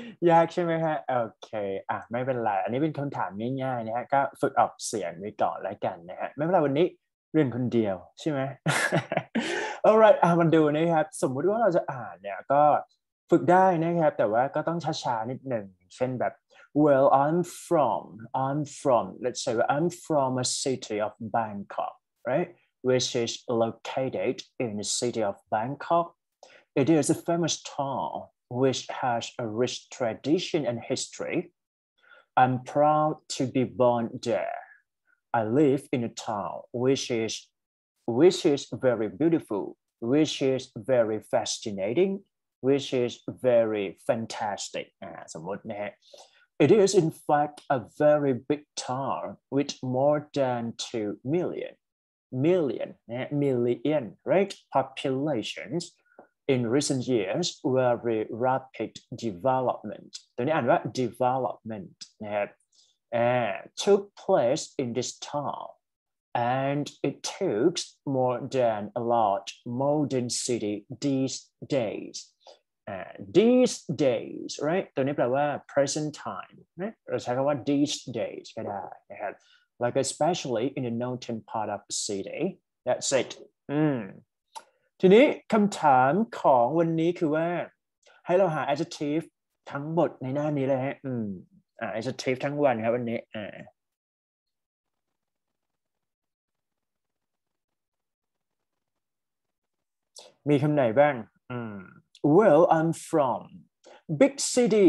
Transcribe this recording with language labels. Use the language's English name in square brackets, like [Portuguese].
[Thai] ยากใช่ไหมฮะโอเคอ่ะไม่เป็นไรอันนี้เป็นคำถามง่ายๆนะฮะก็ฝึกออกเสียงไปก่อนแล้วกันนะฮะไม่เป็นไรวันนี้เรียนคนเดียวใช่ไหม [English] All right [Thai] มาดูนะครับสมมติว่าเราจะอ่านเนี่ยก็ฝึกได้นะครับแต่ว่าก็ต้องช้าๆนิดหนึ่งเช่นแบบ [English] Well, I'm from, let's say, I'm from a city of Bangkok, right? Which is located in the city of Bangkok. It is a famous town which has a rich tradition and history. I'm proud to be born there. I live in a town which is very beautiful, which is very fascinating, which is very fantastic. [Thai] สมมตินะฮะ [English] It is, in fact, a very big town with more than 2 million, right? Populations in recent years, very rapid development. [Thai] ตัวนี้อ่านว่า [English] development [Thai] นะครับ [English] took place in this town. And it took more than a large modern city these days. These days, right? [Thai] ตัวนี้แปลว่า [English] present time, right? [Thai] เราใช้คำว่า [English] these days [Thai] ก็ได้นะครับ [English] Like especially in the northern part of the city. That's it. [Thai] ทีนี้คำถามของวันนี้คือว่าให้เราหา adjective ทั้งหมดในหน้านี้เลยฮะadjective ทั้งวันครับวันนี้มีคำไหนบ้าง [English] Well, I'm from big city.